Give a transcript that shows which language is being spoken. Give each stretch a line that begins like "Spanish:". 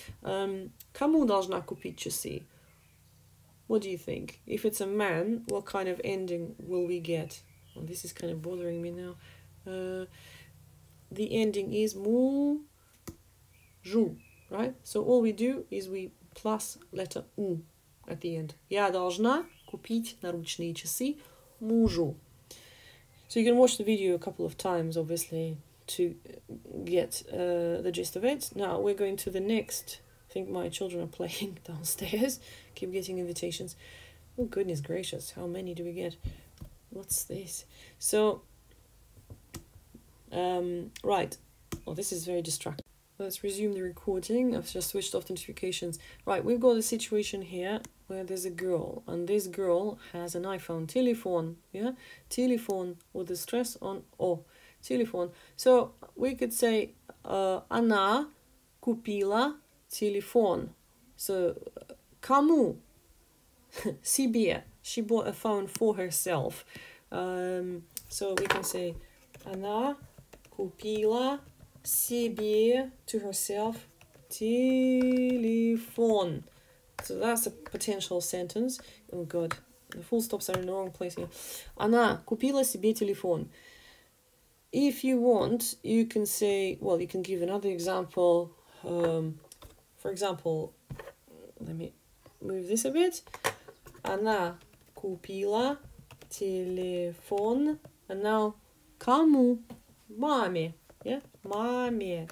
Russian: Кому должна купить часы?
English: What do you think? If it's a man, what kind of ending will we get? Well, this is kind of bothering me now. The ending is
Russian: мужу,
English: right? So all we do is we plus letter у at the end.
Russian: Я должна купить наручные часы мужу.
English: So you can watch the video a couple of times, obviously, to get the gist of it. Now we're going to the next. I think my children are playing downstairs. Keep getting invitations. Oh, goodness gracious, how many do we get? What's this? So, right. Well, this is very distracting. Let's resume the recording. I've just switched off the notifications. Right, we've got a situation here where there's a girl, and this girl has an iPhone.
Russian: Телефон,
English: yeah? Телефон, with the stress on O. Телефон. So, we could say,
Russian: она купила телефон. So, кому? Себе.
English: She bought a phone for herself. So we can say,
Russian: она купила себе,
English: to herself, телефон. So that's a potential sentence. Oh god, the full stops are in the wrong place here.
Russian: Она купила себе телефон.
English: If you want, you can say, well, you can give another example. For example, let me move this a bit.
Russian: Она купила телефон.
English: And now,
Russian: кому? Маме.
English: Yeah? Маме.